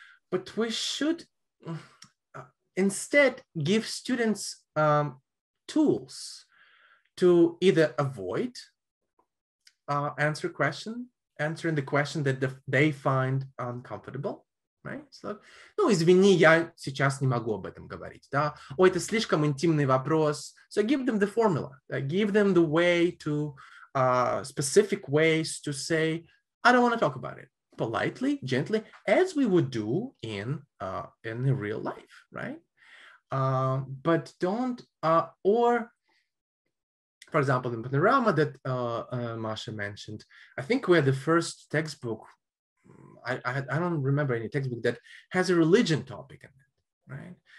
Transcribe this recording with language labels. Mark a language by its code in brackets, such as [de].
[en] But we should instead give students tools to either avoid answering the question that they find uncomfortable, right? [ru] So, ну, извини, я сейчас не могу об этом говорить, да? О, это слишком интимный вопрос. [en] So give them the formula. Give them the way to, specific ways to say, I don't want to talk about it. Politely, gently, as we would do in the real life, right? But don't, or for example, in Panorama that Masha mentioned, I think we're the first textbook, I don't remember any textbook that has a religion topic in it, right?